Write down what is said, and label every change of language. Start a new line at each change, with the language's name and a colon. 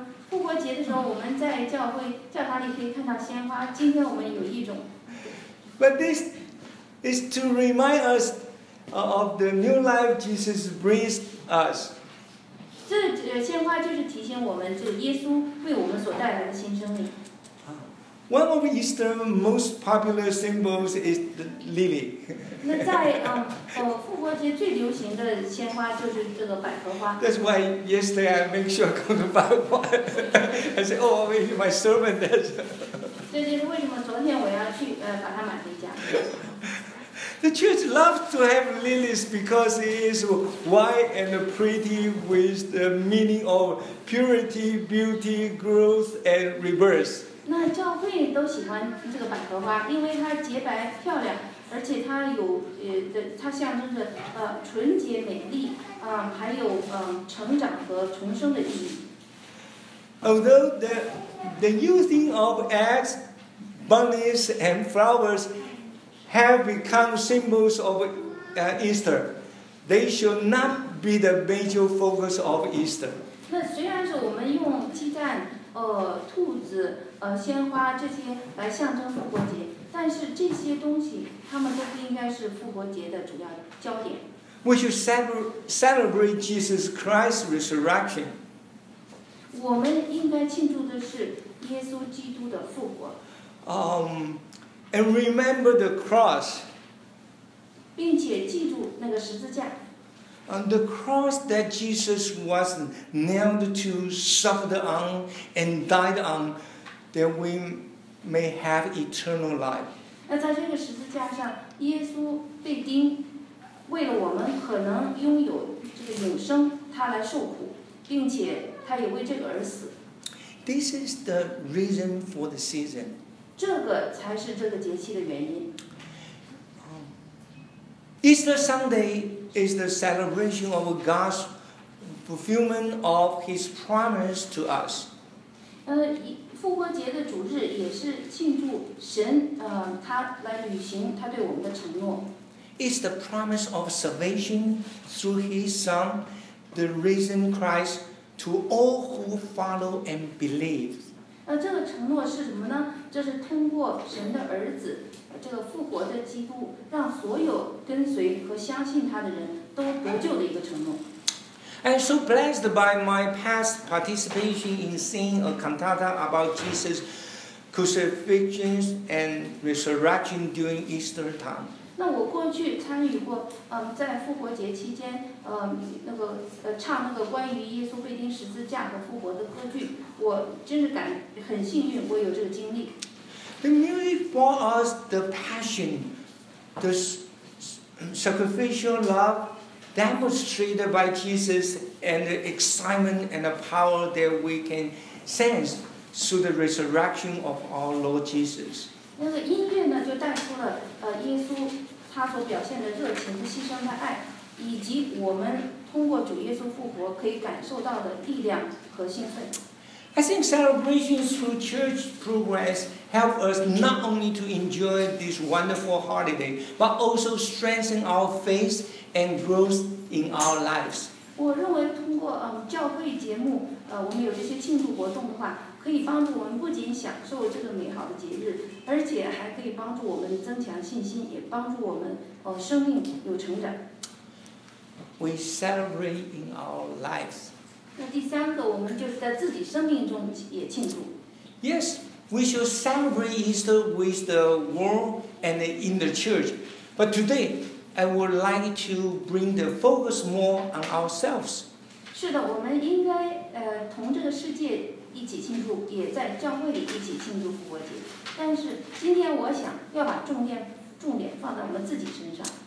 Chinese: 复活节的时候，我们在教堂里可以看到鲜花。今天我们有一种。
English: But this is to remind us of the new life Jesus brings us.
Chinese: 这鲜花就是提醒我们，就是耶稣为我们所带来的新生命。
English: One of Easter's most popular symbols is the lily.
Chinese: 那在复活节最流行的鲜花就是这个百合花。
English: That's why yesterday I make sure I go to buy one. I say, oh, wait, my servant does.
Chinese: 这就是为什么昨天我要去把它买回家。
English: The church loves to have lilies because it is white and pretty with the meaning of purity, beauty, growth, and rebirth.
Chinese: 那教会都喜欢这个百合花，因为它洁白漂亮，而且它有它象征着纯洁美丽啊，还有成长和重生的意义。
English: Although the using of eggs, bunnies, and flowers have become symbols of Easter, they should not be the major focus of Easter.
Chinese: 那虽然是我们用鸡蛋、兔子。鲜花这些来象征复活节，但是这些东西他们都不应该是复活节的主要焦点。
English: We should celebrate Jesus Christ's resurrection.
Chinese: 我们应该庆祝的是耶稣基督的复活。
English: And remember the cross.
Chinese: 并且记住那个十字架。
English: On the cross that Jesus was nailed to, suffered on, and died on. That we may have eternal life.
Chinese: 那在这个十字架上，耶稣被钉，为了我们可能拥有这个永生，他来受苦，并且他也为这个而死。
English: This is the reason for the season.
Chinese: 这个才是这个节气的原因。
English: Easter Sunday is the celebration of God's fulfillment of His promise to us.
Chinese: 复活节的主日也是庆祝神，他来履行他对我们的承诺。
English: It's the promise of salvation through His Son, the risen Christ, to all who follow and believe.
Chinese: 这个承诺是什么呢？这是通过神的儿子，这个复活的基督，让所有跟随和相信他的人都得救的一个承诺。
English: I'm so blessed by my past participation in singing a cantata about Jesus' crucifixion and resurrection during Easter time.
Chinese: 那我过去参与过，在复活节期间，唱那个关于耶稣被钉十字架和复活的歌剧。我真是很幸运，我有这个经历。
English: The music for us, the passion, the sacrificial love. Demonstrated by Jesus and the excitement and the power that we can sense through the resurrection of our Lord Jesus.
Chinese: 那个音乐呢，就带出了耶稣他所表现的热情和牺牲的爱，以及我们通过主耶稣复活可以感受到的力量和兴奋。
English: I think celebrations through church progress help us not only to enjoy this wonderful holiday, but also strengthen our faith and growth in our lives.
Chinese: 我认为通过教会节目，我们有这些庆祝活动的话，可以帮助我们不仅享受这个美好的节日，而且还可以帮助我们增强信心，也帮助我们生命有成长。
English: We celebrate in our lives.
Chinese: 那第三个，我们就是在自己生命中也庆祝。
English: Yes, we should celebrate Easter with the world and in the church. But today, I would like to bring the focus more on ourselves.
Chinese: 是的，我们应该同这个世界一起庆祝，也在教会里一起庆祝复活节。但是今天我想要把重点放在我们自己身上。